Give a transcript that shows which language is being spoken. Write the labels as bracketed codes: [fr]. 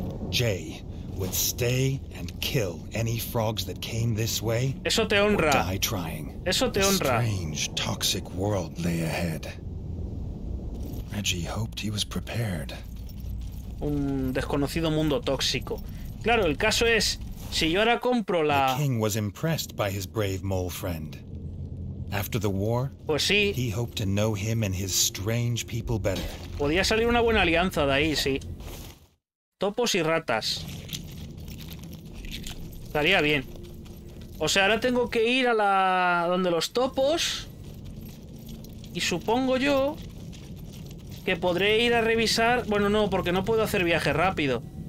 [en] Jay would stay and kill any frogs that came this way. [es] Eso te honra. [en] Or die trying. [es] Eso te honra. [en] A strange, toxic world lay ahead. Reggie hoped he was prepared. [es] Un desconocido mundo tóxico. Claro, el caso es, si yo ahora compro la [en] The king was impressed by his brave mole friend. After the war, [es] pues sí. [en] He hoped to know him and his strange people better. [es] Podía salir una buena alianza de ahí, sí. Topos y ratas. Estaría bien. O sea, ahora tengo que ir a la... donde los topos. Y supongo yo... que podré ir a revisar... Bueno, no, porque no puedo hacer viaje rápido.